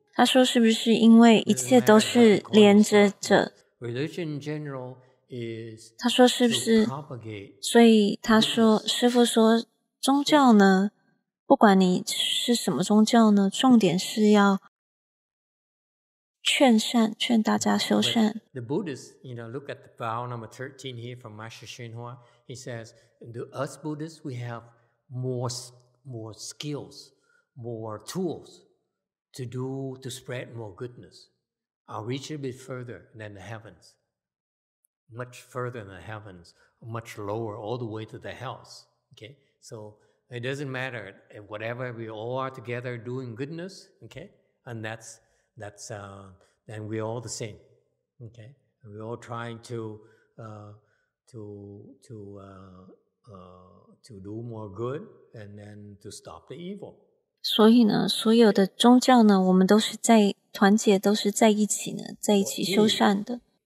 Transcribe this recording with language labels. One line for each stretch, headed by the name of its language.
Chinese: 他说是不是因为一切都是连着着
English: Religion in general is
Chinese: 他说是不是所以他说师父说宗教呢不管你是什么宗教呢重点是要劝善劝大家修善。
English: The Buddhist, you know, look at the vow number 13 here from Master Shenhua, he says, the us Buddhists, we have more skills, more tools to do, to spread more goodness. Our reach will be further than the heavens. much further in the heavens, much lower, all the way to the hells. Okay, so it doesn't matter. Whatever, we all are together doing goodness. Okay, and then we're all the same. Okay, and we're all trying to do more good and then to stop the evil.
Chinese: 所以呢，所有的宗教呢，我们都是在团结，都是在一起呢，在一起修善的。